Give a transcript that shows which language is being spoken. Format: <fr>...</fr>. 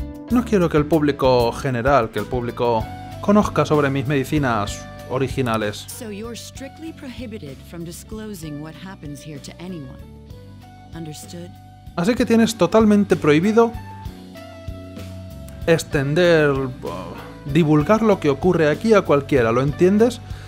<es>No quiero que el público general, que el público conozca sobre mis medicinas originales.</es> <en>So you're strictly prohibited from disclosing what happens here to anyone. Understood?</en> <es>Así que tienes totalmente prohibido extender, divulgar lo que ocurre aquí a cualquiera, ¿lo entiendes?</es>